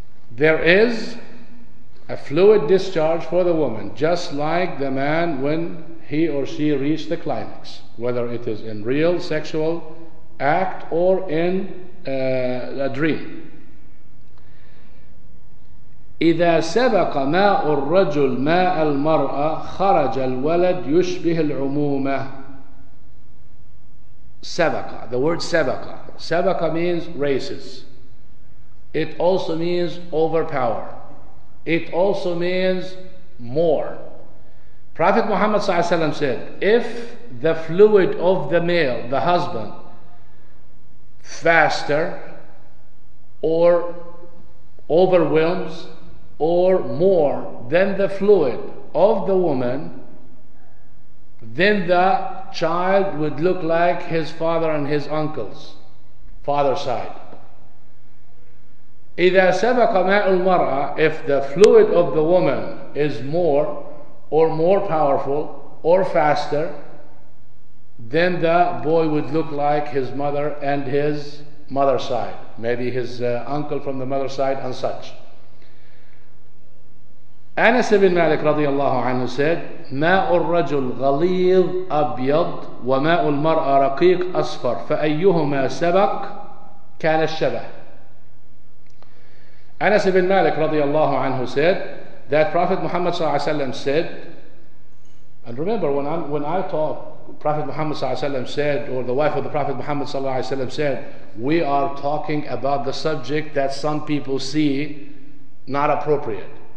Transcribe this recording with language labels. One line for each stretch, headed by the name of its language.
English: There is a fluid discharge for the woman, just like the man when he or she reached the climax, whether it is in real sexual act or in a dream.
Arabic: إذا سبق ماء الرجل ماء المرأة خرج الولد يشبه العمومة. سبق.
English: The word سبق. سبق means races. It also means overpower. It also means more. Prophet Muhammad ﷺ said, if the fluid of the male, the husband, faster or overwhelms or more than the fluid of the woman, then the child would look like his father and his uncles, father's side.
Arabic: إذا سبق ماء المرأة,
English: if the fluid of the woman is more or more powerful or faster, then the boy would look like his mother and his mother's side, maybe his uncle from the mother's side and such. Anas ibn Malik radiyallahu anhu said,
Arabic: ماء الرجل غليظ أبيض وماء المرأة رقيق أصفر فأيهما سبق كان الشبه.
English: Anas ibn Malik radiyallahu anhu said that Prophet Muhammad sallallahu alayhi wa sallam said, and remember when I talk, Prophet Muhammad sallallahu alayhi wa sallam said, or the wife of the Prophet Muhammad sallallahu alayhi wa sallam said, we are talking about the subject that some people see not appropriate.